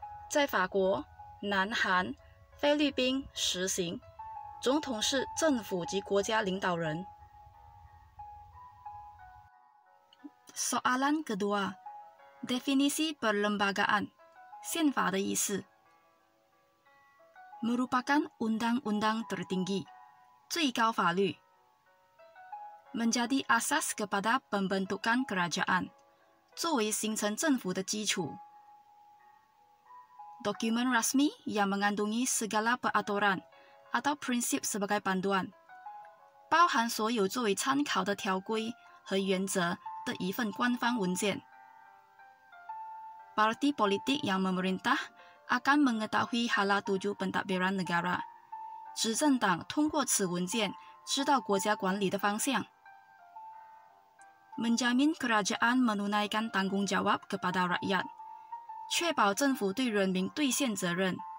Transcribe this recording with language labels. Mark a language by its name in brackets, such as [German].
[Chinese] 在法国、南韩、菲律宾实行，总统是政府及国家领导人。 [Malay] Soalan kedua, definisi perlembagaan, [Chinese] 宪法的意思。 [Malay] Merupakan undang-undang tertinggi, [Chinese] 最高法律。 [Malay] Menjadi asas kepada pembentukan kerajaan. [Chinese] 作为形成政府的基础。 [Malay] Dokumen rasmi yang mengandungi segala peraturan atau prinsip sebagai panduan, [Chinese] 包含所有作为参考的条规和原则的一份官方文件。 [Malay] Parti politik yang memerintah akan mengetahui hala tujuh pentadbiran negara, [Chinese] 执政党通过此文件知道国家管理的方向。 [Malay] Menjamin kerajaan menunaikan tanggung jawab kepada rakyat, [Chinese] 确保政府对人民兑现责任。